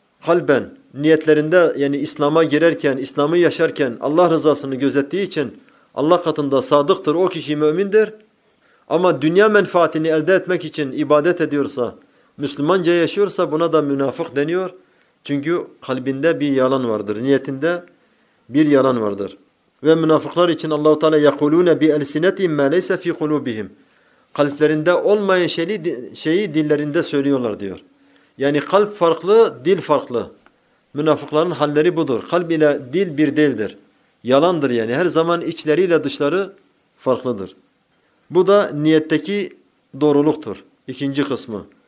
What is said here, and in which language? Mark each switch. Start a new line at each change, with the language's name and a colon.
Turkish: Kalben niyetlerinde yani İslam'a girerken, İslam'ı yaşarken Allah rızasını gözettiği için Allah katında sadıktır. O kişi mümindir. Ama dünya menfaatini elde etmek için ibadet ediyorsa, Müslümanca yaşıyorsa buna da münafık deniyor. Çünkü kalbinde bir yalan vardır. Niyetinde bir yalan vardır. Ve münafıklar için Allah-u Teala
Arabic: يَقُولُونَ بِاَلْسِنَةٍ مَا لَيْسَ فِي قُلُوبِهِمْ.
Turkish: Kalplerinde olmayan şeyi dillerinde söylüyorlar diyor. Yani kalp farklı, dil farklı. Münafıkların halleri budur. Kalp ile dil bir değildir. Yalandır yani. Her zaman içleriyle dışları farklıdır. Bu da niyetteki doğruluktur. İkinci kısmı.